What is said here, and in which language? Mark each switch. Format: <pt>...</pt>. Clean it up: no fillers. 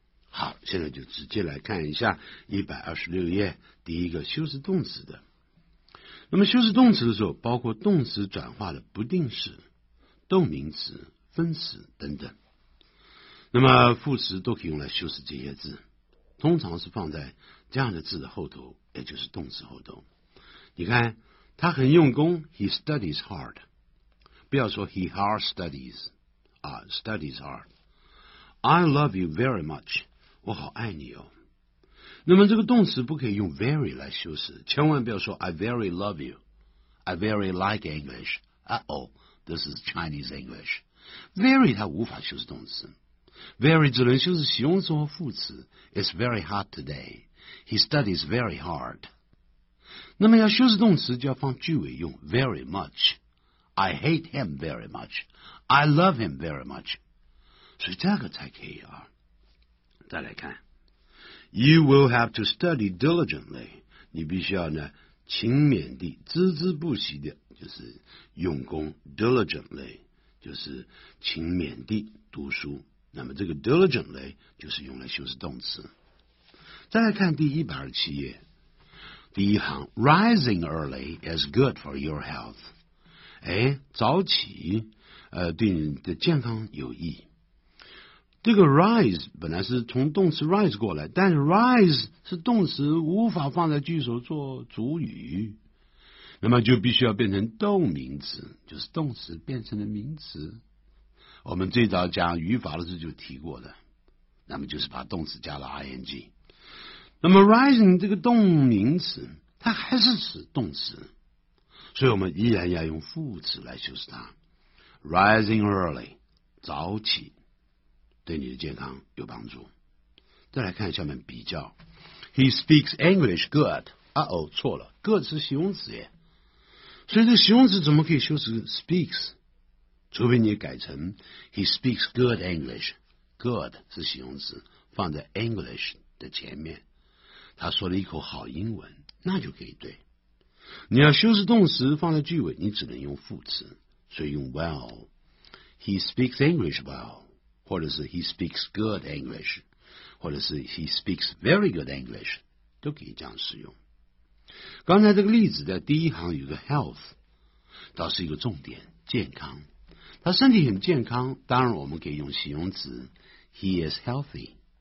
<zh>好，现在就直接来看一下126页第一个修饰动词的。那么修饰动词的时候包括动词转化的不定式、动名词、分词等等。那么副词都可以用来修饰这些字，通常是放在这样的字的后头，也就是动词后头。</zh> <en>你看他很用功， He studies hard，不要说 He hard studies， studies hard。 I love you very much，我好爱你哦。 那么这个动词不可以用 very 来修饰，千万不要说 I very love you， I very like English， this is Chinese English。</en> <zh>Very 它无法修饰动词， very 只能修饰形容词或副词。</zh> <en>It's very hot today， He studies very hard。</en> <zh>那么要修饰动词就要放句尾用 very much， I hate him very much， I love him very much，所以这个才可以啊。再来看， You will have to study diligently，你必须要呢勤勉地、孜孜不息地，就是用功， diligently就是勤勉地读书。那么这个 diligently 就是用来修饰动词。再来看第127页，</zh> <en>Rising early is good for your health.</en> <zh>哎，早起，对你的健康有益。这个 rise 本来是从动词 rise 过来，但是 rise 是动词，无法放在句首做主语，那么就必须要变成动名词，就是动词变成了名词。我们最早讲语法的时候就提过的，那么就是把动词加了 ing。那么 rising 这个动名词，它还是指动词，所以我们依然要用副词来修饰它。 Rising early，早起，对你的健康有帮助。</zh> <en>再来看下面比较，He speaks English good。</en> <zh>错了 ，good 是形容词耶，所以这形容词怎么可以修饰 speaks？</zh> <en>除非你改成 He speaks good English。</en> <zh>Good 是形容词，放在 English 的前面。他说了一口好英文，那就可以对。你要修饰动词放在句尾，你只能用副词，所以用 well。</zh> <en>He speaks English well，或者是 He speaks good English， 或者是 He speaks very good English，都可以这样使用。</en> <zh>刚才这个例子在第一行有个 health， 倒是一个重点，健康。他身体很健康，当然我们可以用形容词 He is healthy。</zh>